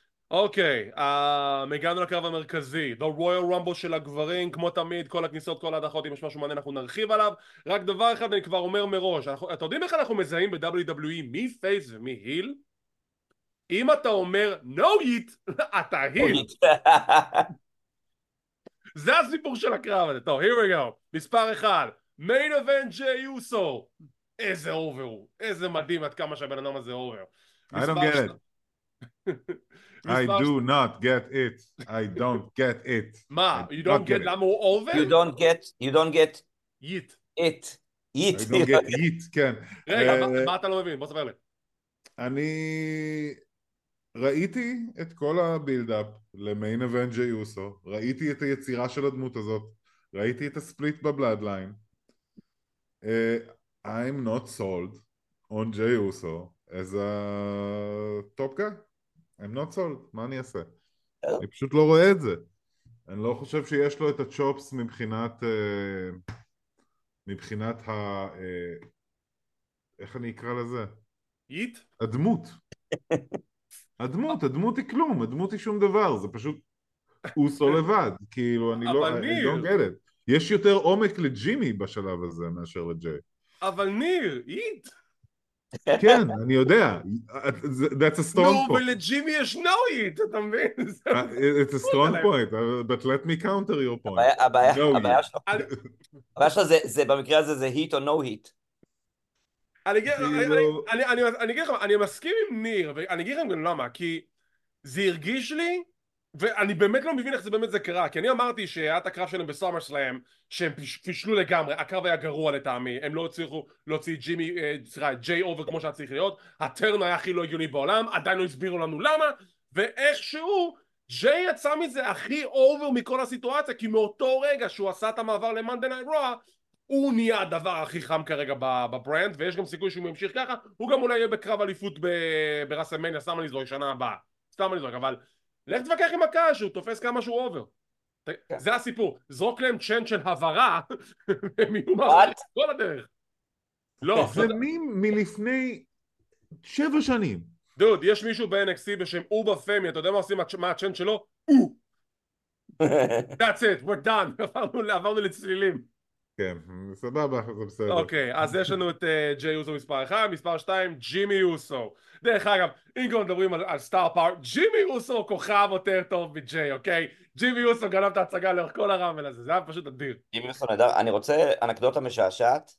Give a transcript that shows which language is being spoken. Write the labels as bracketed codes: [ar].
[he] אוקיי, מגענו לקרב המרכזי, The Royal Rumble של הגברים, כמו תמיד, כל הכניסות, כל ההדחות, אם יש משהו מעניין, אנחנו נרחיב עליו. רק דבר אחד אני כבר אומר מראש, אתם יודעים איך אנחנו מזהים ב-WWE מי פייס ומי היל? אם אתה אומר No Yeet, אתה היל. זה הסיפור של הקרב הזה. טוב, [en] here we go. [he] מספר אחד, Main Event Jey Uso. איזה אובר הוא, איזה מדהים עד כמה שהבן אדם הזה אובר. [en] I don't get it. I do not get it. I don't get it. [he] מה? [en] You don't get [he] למה הוא אובר? [en] You don't get yeet. It. Yeet. I don't get yeet, כן. [he] רגע, מה אתה לא מבין? בוא ספר לי. אני ראיתי את כל הבילדאפ למיין אבנט ג'יי אוסו, ראיתי את היצירה של הדמות הזאת, ראיתי את הספליט בבלאדליין. [en] I'm not sold on Jey Uso as a top guy. I'm not sold. [he] מה אני אעשה? אני פשוט לא רואה את זה. אני לא חושב שיש לו את הצ'ופס מבחינת ה... איך אני אקרא לזה? יית? הדמות. הדמות, הדמות היא כלום. הדמות היא שום דבר. זה פשוט אוסו לבד. כאילו, אני לא... אבל ניר. [en] I don't get it. [he] יש יותר עומק לג'ימי בשלב הזה מאשר לג'יי. אבל ניר, יית. כן, אני יודע. [en] That's a strong point. [he] נו, ולג'ימי יש no יית, אתה מבין? [en] It's a strong point, but let me counter your point. [he] הבעיה שלך זה, במקרה הזה, זה היט או נו היט. אני אגיד לכם, אני מסכים עם ניר, ואני אגיד לכם גם למה, כי זה הרגיש לי, ואני באמת לא מבין איך זה באמת זה קרה, כי אני אמרתי שהיה את הקרב שלהם בסאמר סלאם, שהם פישלו לגמרי, הקרב היה גרוע לטעמי, הם לא הצליחו להוציא ג'ימי, סליחה, ג'יי אובר כמו שהצליח להיות, הטרן היה הכי לא הגיוני בעולם, עדיין לא הסבירו לנו למה, ואיכשהו, ג'יי יצא מזה הכי אובר מכל הסיטואציה, כי מאותו רגע שהוא עשה את המעבר למאנדי נייט רו, הוא נהיה הדבר הכי חם כרגע בברנד, ויש גם סיכוי שהוא ימשיך ככה, הוא גם אולי יהיה בקרב אליפות ברסלמניה, שמה לי זו השנה הבאה. סתם אני זורק, אבל לך תווכח עם הקהל שהוא תופס כמה שהוא אובר. זה הסיפור, זרוק להם צ'ן של הברה, הם יהיו מעורים כל הדרך. לא, זה מים מלפני 7 שנים. דוד, יש מישהו ב-NXT בשם אובה פמי, אתה יודע מה עושים, מה הצ'ן שלו? [en] That's it, we're done, [he] עברנו לצלילים. כן, סבבה, זה בסדר. אוקיי, אז יש לנו את ג'יי אוסו מספר 1, מספר 2, ג'ימי אוסו. דרך אגב, אם כבר מדברים על סטאר פאוור, ג'ימי אוסו כוכב יותר טוב מג'יי, אוקיי? ג'ימי אוסו גנב את ההצגה לאורך כל הרמבל הזה, זה היה פשוט אדיר. ג'ימי אוסו נהדר, אני רוצה אנקדוטה משעשעת.